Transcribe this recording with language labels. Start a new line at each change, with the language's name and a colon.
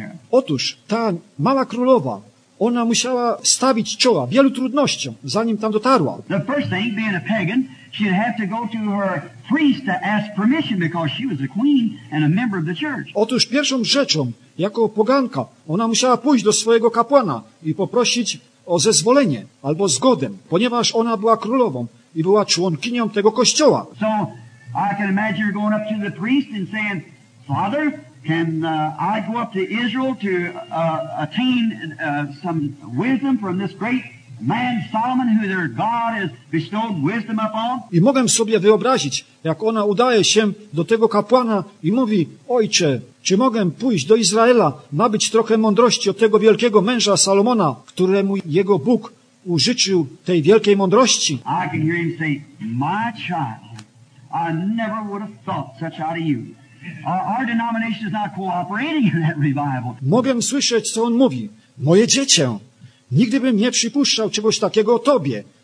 Polish: Otóż ta mała królowa, ona musiała stawić czoła wielu trudnościom, zanim tam dotarła.
English: The first thing, being a pagan, she'd have to go to her priest to ask permission because she was a queen and a member of the church.
Polish: Otóż pierwszą rzeczą, jako poganka, ona musiała pójść do swojego kapłana i poprosić o zezwolenie albo zgodę, ponieważ ona była królową i była członkinią tego kościoła.
English: So I can imagine her going up to the priest and saying, Father, can I go up to Israel to attain some wisdom from this great man Solomon, who their God has bestowed wisdom upon?
Polish: I mogę sobie wyobrazić, jak ona udaje się do tego kapłana i mówi, Ojcze, czy mogę pójść do Izraela, nabyć trochę mądrości od tego wielkiego męża Salomona, któremu jego Bóg użyczył tej wielkiej mądrości?
English: I can hear him say, my child, I never would have thought such out of you. Our denomination is not cooperating in that revival.
Polish: Mogę słyszeć, co on mówi. Moje dziecię, nigdy bym nie przypuszczał czegoś takiego o tobie.